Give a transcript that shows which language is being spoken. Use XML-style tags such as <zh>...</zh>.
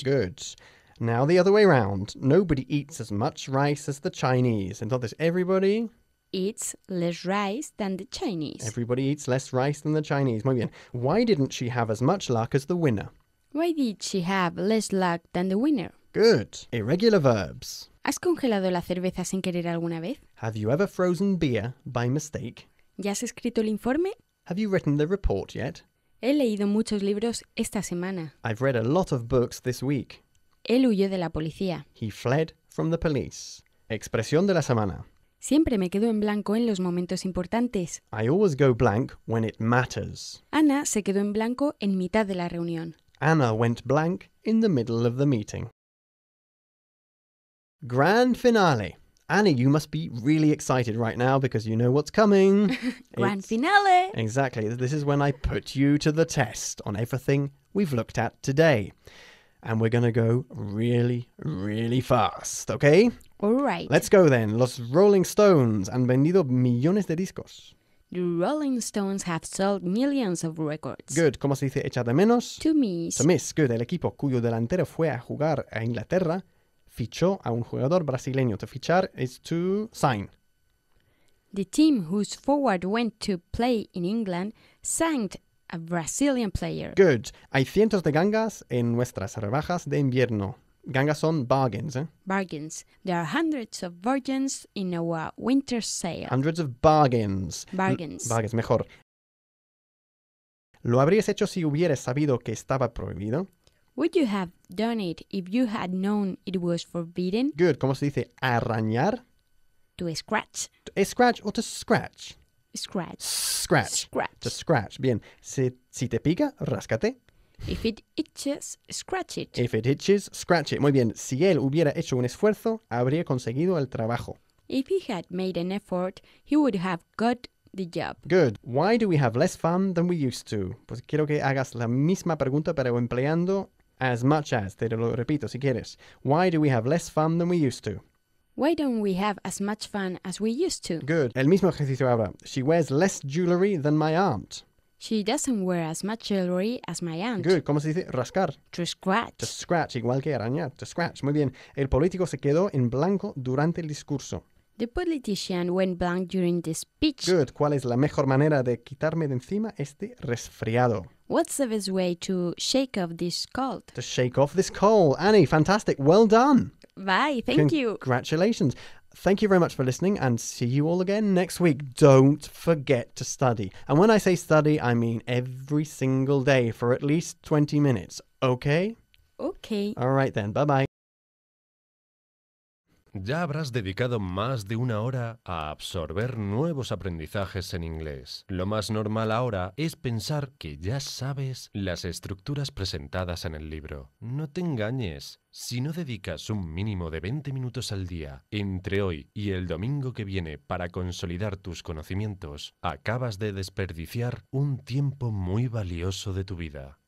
<en>Good. Now the other way around. Nobody eats as much rice as the Chinese. Entonces, everybody eats less rice than the Chinese. Everybody eats less rice than the Chinese.</en> <es>Muy bien.</es> <en>Why didn't she have as much luck as the winner? Why did she have less luck than the winner? Good. Irregular verbs.</en> <es>¿Has congelado la cerveza sin querer alguna vez?</es> <en>Have you ever frozen beer by mistake?</en> <es>¿Ya has escrito el informe?</es> <en>Have you written the report yet?</en> <es>He leído muchos libros esta semana.</es> <en>I've read a lot of books this week.</en> <es>Él huyó de la policía.</es> <en>He fled from the police.</en> <es>Expresión de la semana. Siempre me quedo en blanco en los momentos importantes.</es> <en>I always go blank when it matters.</en> <es>Ana se quedó en blanco en mitad de la reunión.</es> <en>Anna went blank in the middle of the meeting. Grand finale. Annie, you must be really excited right now because you know what's coming. Grand finale. Exactly. This is when I put you to the test on everything we've looked at today. And we're going to go really, really fast, okay? All right. Let's go then.</en> <es>Los Rolling Stones han vendido millones de discos.</es> <en>The Rolling Stones have sold millions of records.</en> <es>Good. ¿Cómo se dice echar de menos?</es> <en>To miss. To miss. Good.</en> <es>El equipo cuyo delantero fue a jugar a Inglaterra fichó a un jugador brasileño.</es> <en>To fichar is to sign. The team whose forward went to play in England signed a Brazilian player. Good.</en> <es>Hay cientos de gangas en nuestras rebajas de invierno. Gangas son bargains, eh?</es> <en>Bargains. There are hundreds of bargains in our winter sale. Hundreds of bargains. Bargains. Bargains, mejor.</en> <es>¿Lo habrías hecho si hubieras sabido que estaba prohibido?</es> <en>Would you have done it if you had known it was forbidden?</en> <es>Good. ¿Cómo se dice arañar?</es> <en>To scratch. To scratch or to scratch? Scratch. Scratch. Scratch. To scratch.</en> <es>Bien. Si te pica, ráscate.</es> <en>If it itches, scratch it. If it itches, scratch it.</en> <es>Muy bien. Si él hubiera hecho un esfuerzo, habría conseguido el trabajo.</es> <en>If he had made an effort, he would have got the job. Good. Why do we have less fun than we used to?</en> <es>Pues quiero que hagas la misma pregunta, pero empleando</es> <en>as much as.</en> <es>Te lo repito, si quieres.</es> <en>Why do we have less fun than we used to? Why don't we have as much fun as we used to? Good.</en> <es>El mismo ejercicio ahora.</es> <en>She wears less jewelry than my aunt. She doesn't wear as much jewelry as my aunt.</en> <es>Good. ¿Cómo se dice? Rascar.</es> <en>To scratch. To scratch.</en> <es>Igual que arañar. To scratch. Muy bien. El político se quedó en blanco durante el discurso.</es> <en>The politician went blank during the speech. Good.</en> <es>¿Cuál es la mejor manera de quitarme de encima este resfriado?</es> <en>What's the best way to shake off this cold? To shake off this cold. Annie, fantastic. Well done. Bye. Thank you. Congratulations. Thank you very much for listening and see you all again next week. Don't forget to study. And when I say study, I mean every single day for at least 20 minutes. Okay? Okay. All right then. Bye-bye.</en> <es>Ya habrás dedicado más de una hora a absorber nuevos aprendizajes en inglés. Lo más normal ahora es pensar que ya sabes las estructuras presentadas en el libro. No te engañes. Si no dedicas un mínimo de 20 minutos al día entre hoy y el domingo que viene para consolidar tus conocimientos, acabas de desperdiciar un tiempo muy valioso de tu vida.</es>